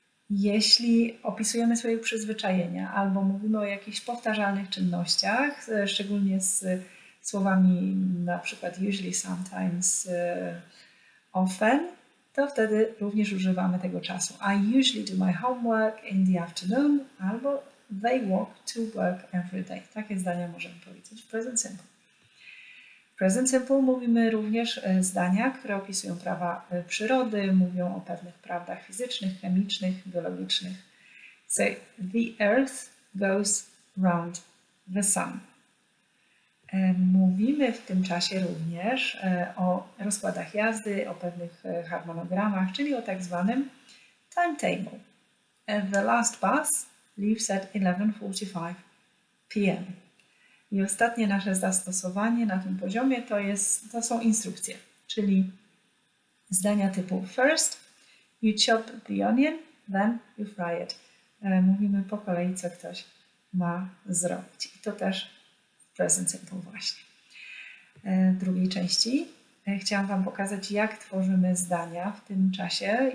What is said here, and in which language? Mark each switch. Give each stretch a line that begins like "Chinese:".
Polish: Jeśli opisujemy swoje przyzwyczajenia albo mówimy o jakichś powtarzalnych czynnościach, szczególnie z słowami na przykład usually, sometimes, often, to wtedy również używamy tego czasu.
English: I usually do my homework in the afternoon
Polish: albo
English: they walk to work every day.
Polish: Takie zdania możemy powiedzieć w present simple. Present simple mówimy również zdania, które opisują prawa przyrody, mówią o pewnych prawdach fizycznych, chemicznych, biologicznych.
English: So, the earth goes round the sun.
Polish: Mówimy w tym czasie również o rozkładach jazdy, o pewnych harmonogramach, czyli o tak zwanym timetable.
English: The last bus leaves at 11:45 p.m.
Polish: I ostatnie nasze zastosowanie na tym poziomie to są instrukcje, czyli zdania typu
English: first you chop the onion, then you fry it.
Polish: Mówimy po kolei, co ktoś ma zrobić. I to też w present simple właśnie. W drugiej części chciałam Wam pokazać, jak tworzymy zdania w tym czasie.